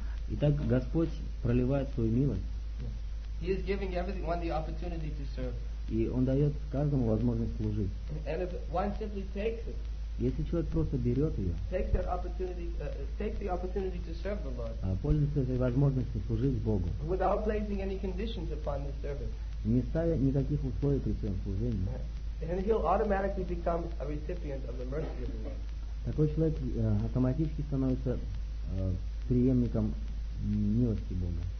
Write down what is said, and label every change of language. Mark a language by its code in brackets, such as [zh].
[ru] Итак, Господь проливает свою милость. [en] He is giving everyone the opportunity to serve. [ru] И Он дает каждому возможность служить. [en] And if one simply takes it. [ru] Если человек просто берет ее, [en] take the opportunity to serve the Lord, [ru] пользуется этой возможностью служить Богу, [en] without placing any conditions upon the service, [ru] не ставя никаких условий при своем служении, [en] and he'll automatically become a recipient of the mercy of the Lord. [ru] Такой человек автоматически становится преемником милости Бога.